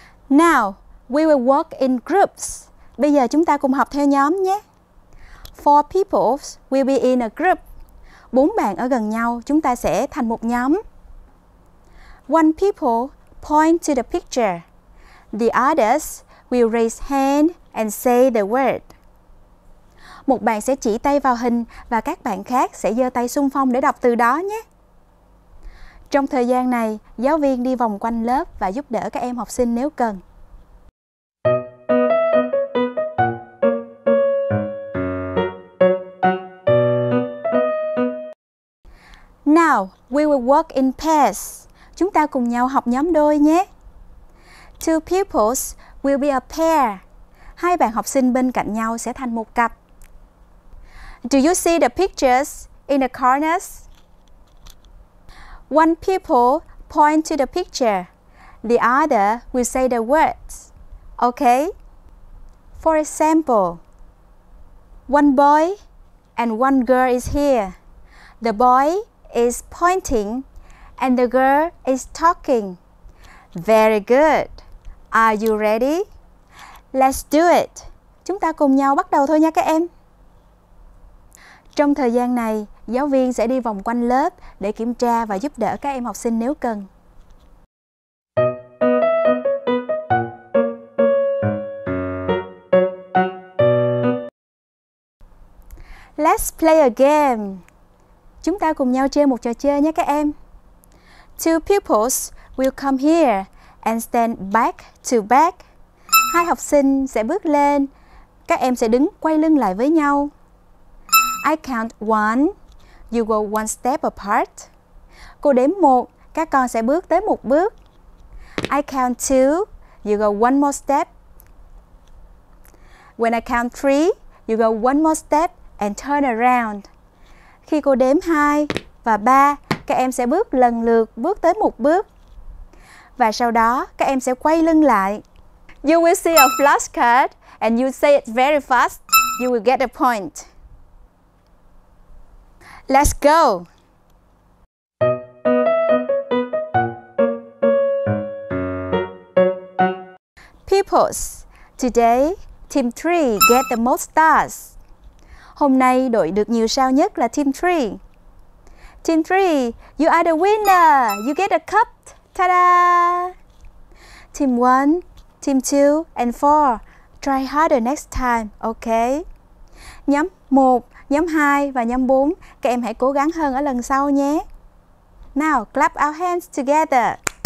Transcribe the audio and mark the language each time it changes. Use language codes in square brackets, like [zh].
[en] Now, we will work in groups. [vi] Bây giờ chúng ta cùng học theo nhóm nhé. [en] Four people will be in a group. [vi] Bốn bạn ở gần nhau, chúng ta sẽ thành một nhóm. [en] One people point to the picture. The others will raise hand and say the word. [vi] Một bạn sẽ chỉ tay vào hình và các bạn khác sẽ giơ tay xung phong để đọc từ đó nhé. Trong thời gian này, giáo viên đi vòng quanh lớp và giúp đỡ các em học sinh nếu cần. [en] Now, we will work in pairs. [vi] Chúng ta cùng nhau học nhóm đôi nhé. [en] Two pupils will be a pair. [vi] Hai bạn học sinh bên cạnh nhau sẽ thành một cặp. [en] Do you see the pictures in the corners? One pupil point to the picture. The other will say the words. Okay? For example, one boy and one girl is here. The boy is pointing and the girl is talking. Very good. Are you ready? Let's do it. [vi] Chúng ta cùng nhau bắt đầu thôi nha các em. Trong thời gian này, giáo viên sẽ đi vòng quanh lớp để kiểm tra và giúp đỡ các em học sinh nếu cần. [en] Let's play a game. [vi] Chúng ta cùng nhau chơi một trò chơi nhé các em. [en] Two pupils will come here and stand back to back. [vi] Hai học sinh sẽ bước lên. Các em sẽ đứng quay lưng lại với nhau. [en] I count one. You go one step apart. [vi] Cô đếm một. Các con sẽ bước tới một bước. [en] I count two. You go one more step. When I count three, you go one more step and turn around. [vi] Khi cô đếm 2 và 3, các em sẽ bước lần lượt bước tới một bước. Và sau đó, các em sẽ quay lưng lại. [en] You will see a flashcard and you say it very fast. You will get a point. Let's go! Pupils, today, team 3 get the most stars. [vi] Hôm nay đội được nhiều sao nhất là team 3. [en] Team 3, you are the winner. You get a cup. Ta-da! Team 1, team 2 and 4, try harder next time, okay? [vi] Nhóm 1, nhóm 2 và nhóm 4, các em hãy cố gắng hơn ở lần sau nhé. [en] Now, clap our hands together.